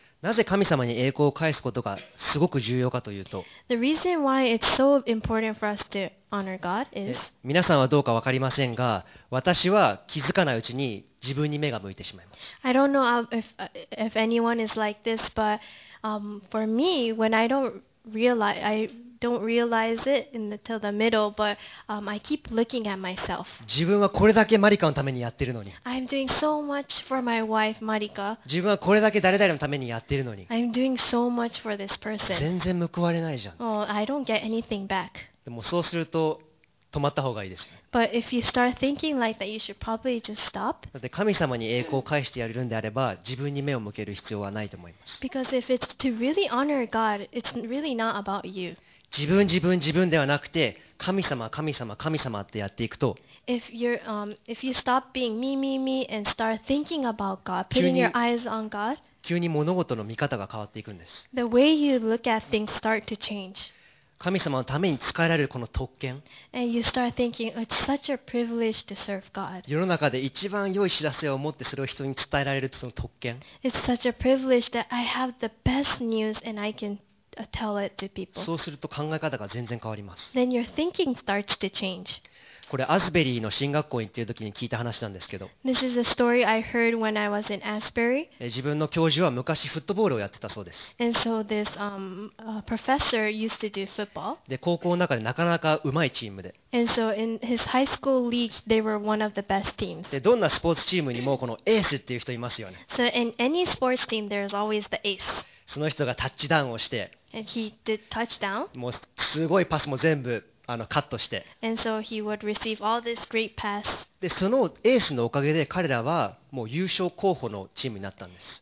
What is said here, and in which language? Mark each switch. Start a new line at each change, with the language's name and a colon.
Japanese: なぜ神様に栄光を返すことがすごく重要かというと、
English: The reason why it's so important for us to honor God is
Japanese: 皆さんはどうかわかりませんが、私は気づかないうちに自分に目が向いてしまいます。
English: I don't know if anyone is like this, but for me, when I don't realize it until the middle, but I keep looking at myself.
Japanese: 自分はこれだけマリカのためにやってるのに。
English: I'm doing so much for my wife, Marika.
Japanese: 自分はこれだけ誰々のためにやってるのに。
English: I'm doing so much for this person.
Japanese: 全然報われないじゃん。
English: Oh, I don't get anything back.
Japanese: でもそうすると止まった方がいいです。
English: But if you start thinking like that, you should probably just stop.
Japanese: だって神様に栄光を返してやれるんであれば、自分に目を向ける必要はないと思います。
English: Because if it's to really honor God, it's really not about you.
Japanese: 自分自分自分ではなくて、神様神様神様ってやっていくと、
English: If you stop being me me me and start thinking about God, putting your eyes on God,
Japanese: 急に物事の見方が変わっていくんです。
English: The way you look at things start to change.
Japanese: 神様のために使えられるこの特権。
English: And you start thinking, it's such a privilege to serve God.
Japanese: 世の中で一番良い知らせを持ってそれを人に伝えられるその特権。
English: It's such a privilege that I have the best news and I can tell it to people.
Japanese: そうすると考え方が全然変わります。
English: Then your thinking starts to change.
Japanese: これアスベリーの神学校に行っている時に聞いた話なんですけど。
English: This is a story I heard when I was in Asbury.
Japanese: 自分の教授は昔フットボールをやってたそうです。
English: And so this professor used to do football.
Japanese: で高校の中でなかなか上手いチームで。
English: And so in his high school league, they were one of the best teams.
Japanese: でどんなスポーツチームにもこのエースっていう人いますよね。
English: So in any sports team, there's always the ace.
Japanese: その人がタッチダウンをして。
English: And he did touchdown.
Japanese: もうすごいパスも全部。カットして
English: And so he would receive all this great pass.
Japanese: でそのエースのおかげで彼らはもう優勝候補のチームになったんです。